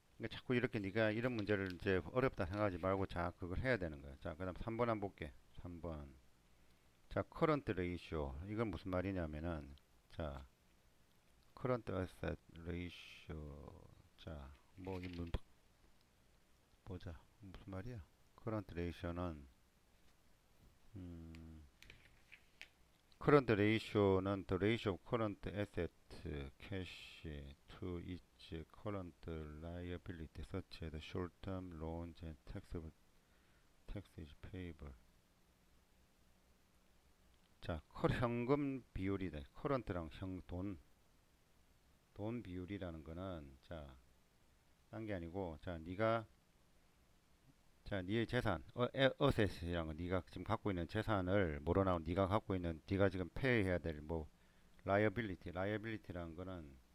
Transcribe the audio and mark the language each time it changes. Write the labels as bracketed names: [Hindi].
[Korean] 자꾸 이렇게 네가 이런 문제를 이제 어렵다 생각하지 말고 자 그걸 해야 되는 거야. 자, 그다음 3번 한번 볼게. 3번. 자, current ratio. 이건 무슨 말이냐면은 자, current asset ratio. 자, 뭐이 문, 보자. 무슨 말이야? [English] current ratio는 current ratio는 the ratio of current asset cash to its current liability such as short term loans and taxes payable. [Korean] 자, 현금 비율이다. current랑 돈 비율이라는 거는 자, 딴게 아니고 자, 네가 자, 니의 재산, 어셋이라는 거, 니가 지금 갖고 있는 재산을, 뭐로 나온, 니가 갖고 있는, 니가 지금 페이해야 될, 뭐, liability라는 거는,